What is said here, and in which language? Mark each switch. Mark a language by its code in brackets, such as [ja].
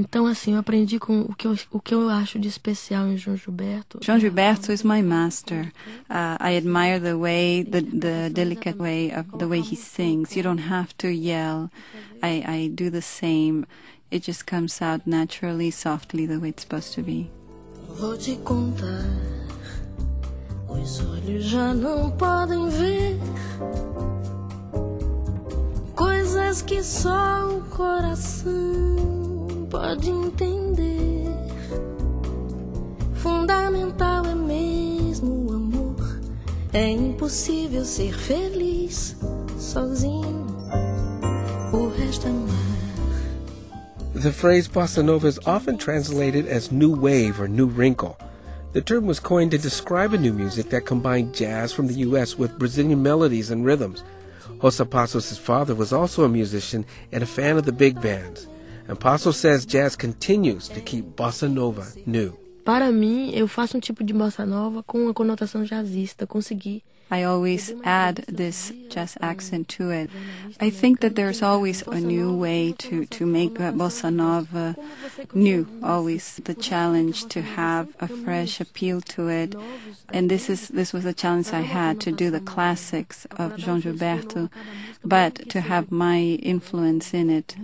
[pt] Então, assim, eu aprendi com o que eu acho de especial em João Gilberto. [en] João Gilberto is my master. I admire the way, the delicate way of the way he sings. You don't have to yell. I do the same. It just comes out naturally, softly, the way it's supposed to be. [pt] Vou te contar. Os olhos já não podem ver. Coisas que só o coração. Pode entender, fundamental é mesmo o amor. É impossível ser feliz sozinho. O resto é mar. [en] The phrase bossa nova is often translated as new wave or new wrinkle. The term was coined to describe a new music that combined jazz from the U.S. with Brazilian melodies and rhythms. José Passos' father was also a musician and a fan of the big bands. And Passos says jazz continues to keep bossa nova new. [pt] Para mim, eu faço tipo de bossa nova com uma conotação jazzista. Consegui. [en] I always add this jazz accent to it. I think that there's always a new way to make a bossa nova new. Always the challenge to have a fresh appeal to it. And this was the challenge I had, to do the classics of João Gilberto, but to have my influence in it.